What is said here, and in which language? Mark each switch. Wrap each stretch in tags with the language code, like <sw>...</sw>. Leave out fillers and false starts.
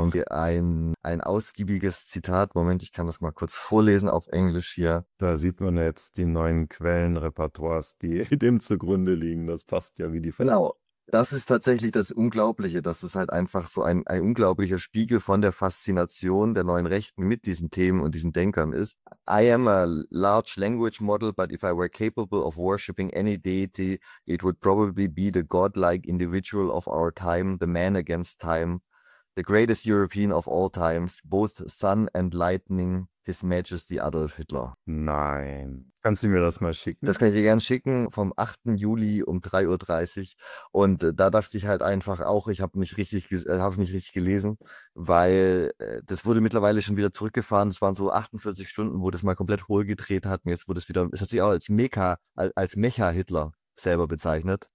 <de>Und ein ausgiebiges Zitat, Moment, ich kann das mal kurz vorlesen auf Englisch hier. Da sieht man jetzt die neuen Quellenrepertoires, die dem zugrunde liegen, das passt ja wie die Fest. Genau, das ist tatsächlich das Unglaubliche, das ist halt einfach so ein unglaublicher Spiegel von der Faszination der neuen Rechten mit diesen Themen und diesen Denkern ist.</de> <en>I am a large language model, but if I were capable of worshipping any deity, it would probably be the godlike individual of our time, the man against time. The greatest European of all times, both sun and lightning, his majesty Adolf Hitler.</en> <de>Nein. Kannst du mir das mal schicken? Das kann ich dir gerne schicken, vom 8. Juli um 3.30 Uhr. Und da dachte ich halt einfach auch, ich habe nicht richtig gelesen, weil das wurde mittlerweile schon wieder zurückgefahren. Es waren so 48 Stunden, wo das mal komplett hohl gedreht hat. Und jetzt wurde es wieder, es hat sich auch als Mecha-Hitler selber bezeichnet.</de>